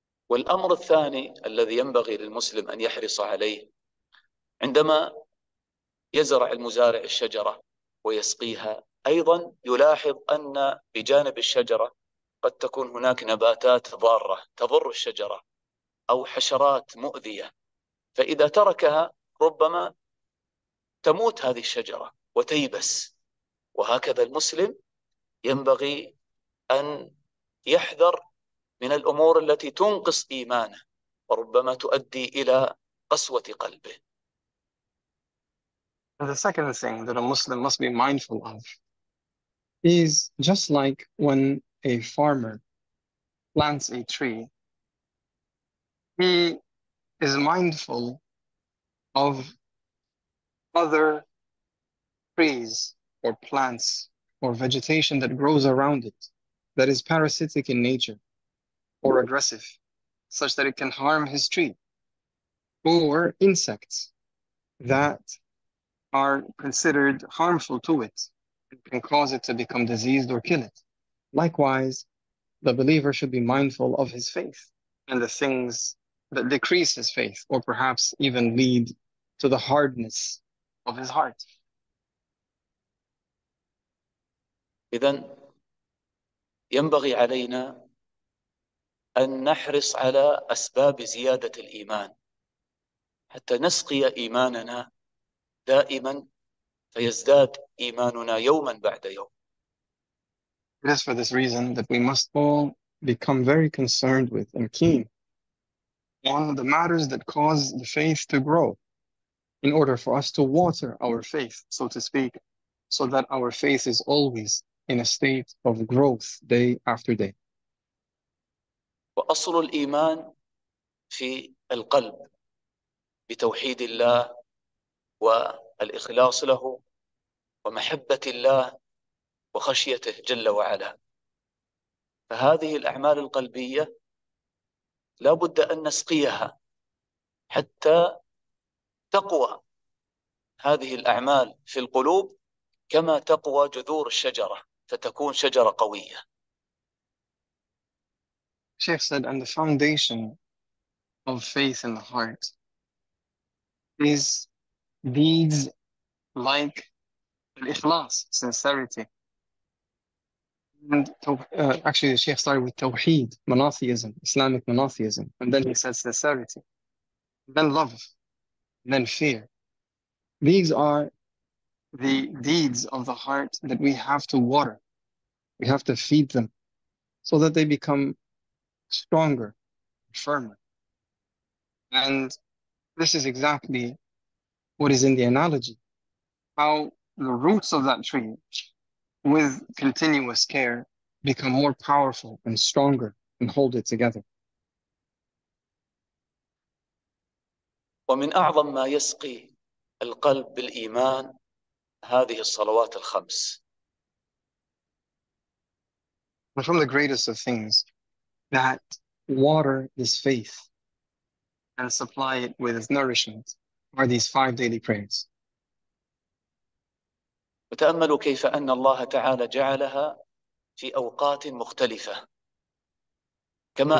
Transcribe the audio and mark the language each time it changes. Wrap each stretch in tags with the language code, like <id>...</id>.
<ar>والأمر الثاني الذي ينبغي للمسلم أن يحرص عليه عندما يزرع المزارع الشجرة ويسقيها، أيضا يلاحظ أن بجانب الشجرة قد تكون هناك نباتات ضارة تضر الشجرة أو حشرات مؤذية، فإذا تركها ربما تموت هذه الشجرة وتيبس. وهكذا المسلم ينبغي أن يحذر من الأمور التي تنقص إيمانه وربما تؤدي إلى قسوة قلبه.</ar> <en>And the second thing that a Muslim must be mindful of is just like when a farmer plants a tree, he is mindful of other trees or plants or vegetation that grows around it that is parasitic in nature or aggressive, such that it can harm his tree, or insects that are considered harmful to it and can cause it to become diseased or kill it. Likewise, the believer should be mindful of his faith and the things that decrease his faith or perhaps even lead to the hardness of his heart.</en> <ar>إذن ينبغي علينا أن نحرص على أسباب زيادة الإيمان حتى نسقي إيماننا دائما فيزداد إيماننا يوما بعد يوم.</ar> <en>It is for this reason that we must all become very concerned with and keen on the matters that cause the faith to grow in order for us to water our faith, so to speak, so that our faith is always in a state of growth day after day.</en> <ar>وأصل الإيمان في القلب بتوحيد الله والإخلاص له ومحبة الله وخشيته جل وعلا، فهذه الأعمال القلبية لا بد أن نسقيها حتى تقوى هذه الأعمال في القلوب كما تقوى جذور الشجرة فتكون شجرة قوية.</ar> <en>Sheikh said, and the foundation of faith in the heart is deeds like al-ikhlas, sincerity. And actually, the Sheikh started with tawheed, monotheism, Islamic monotheism, and then he said sincerity, then love, then fear. These are the deeds of the heart that we have to water, we have to feed them so that they become stronger, firmer. And this is exactly what is in the analogy, how the roots of that tree with continuous care become more powerful and stronger and hold it together.</en> <ar>ومن أعظم ما يسقي القلب بالإيمان هذه الصلوات الخمس.</ar> <en>And from the greatest of things that water this faith and supply it with its nourishment are these five daily prayers.</en> <ar>وتأملوا كيف أن الله تعالى جعلها في أوقات مختلفة، كما</ar>